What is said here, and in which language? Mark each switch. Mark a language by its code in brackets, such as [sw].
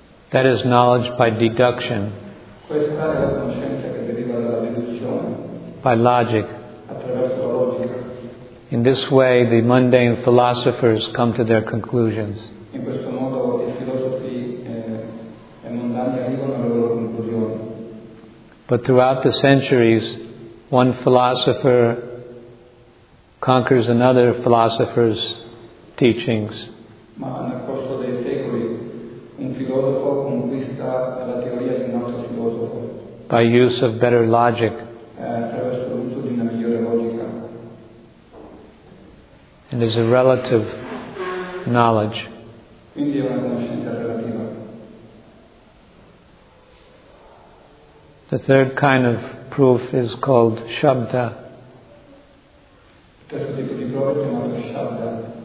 [en] That is knowledge by deduction. [it] Questa è la conoscenza che deriva dalla deduzione. [en] By logic. [it] Attraverso la logica. [en] In this way, the mundane philosophers come to their conclusions. [it] In questo modo i filosofi mondani arrivano alle loro conclusioni. [en] But throughout the centuries, one philosopher conquers another philosopher's teachings. [it] Ma nel corso dei secoli un filosofo conquista la teoria di un altro filosofo [en] by use of better logic, [it] attraverso l'uso di una migliore logica, [en] and is a relative knowledge. [it] Quindi è una conoscenza relativa. [en] The third kind of proof is called shabda. [it] Terzo tipo di prova è chiamato shabda.